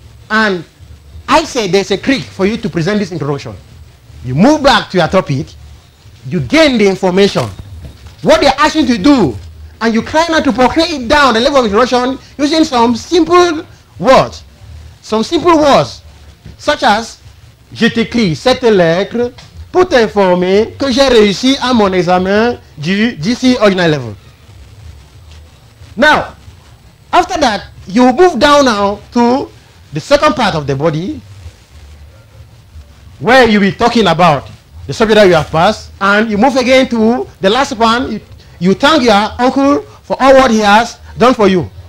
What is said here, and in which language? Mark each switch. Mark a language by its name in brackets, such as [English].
[English] And I say there's a trick for you to present this introduction. You move back to your topic, you gain the information, what they're asking you to do, and you try not to portray it down the level of introduction using some simple words. Some simple words, such as, [French] je t'écris cette lettre pour t'informer que j'ai réussi à mon examen du GC Ordinary Level. [English] Now, after that, you move down now to the second part of the body where you'll be talking about the subject that you have passed, and you move again to the last one. You thank your uncle for all what he has done for you.